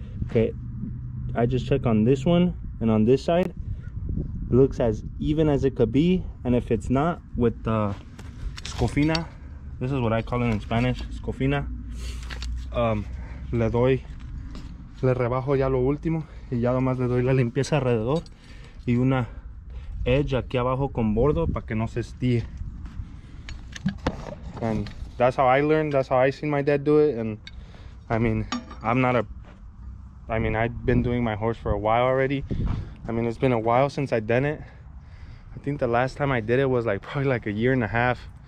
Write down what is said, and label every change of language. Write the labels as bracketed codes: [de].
[en] Okay, I just check on this one and on this side. It looks as even as it could be. And if it's not, with the escofina, this is what I call it in Spanish, escofina. [es] Le doy, le rebajo ya lo último y ya nomás le doy la limpieza alrededor y una edge aquí abajo con bordo para que no se estíe. [en] And that's how I learned, that's how I seen my dad do it. And I mean, I've been doing my horse for a while already. I mean, it's been a while since I done it. I think the last time I did it was like probably like a year and a half.